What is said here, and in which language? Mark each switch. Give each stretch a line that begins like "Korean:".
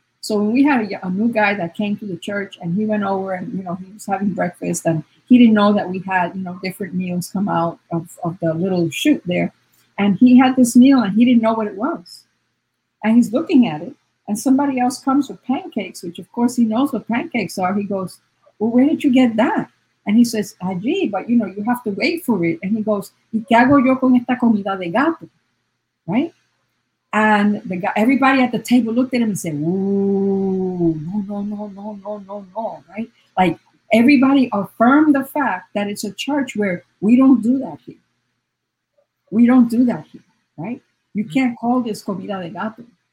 English: So when we had a new guy that came to the church and he went over and, you know, he was having breakfast and he didn't know that we had, you know, different meals come out of the little chute there. And he had this meal and he didn't know what it was. And he's looking at it. And somebody else comes with pancakes, which, of course, he knows what pancakes are. He goes, well, where did you get that? And he says,
Spanish: allí,
English: but, you know, you have to wait for it. And he goes,
Spanish: ¿y qué hago yo con esta comida de gato?
English: Right? And the guy, everybody at the table looked at him and said, ooh, no, no, no, no, no, no, no, right? Like, everybody affirmed the fact that it's a church where we don't do that here. We don't do that here, right? You can't call this comida de gato.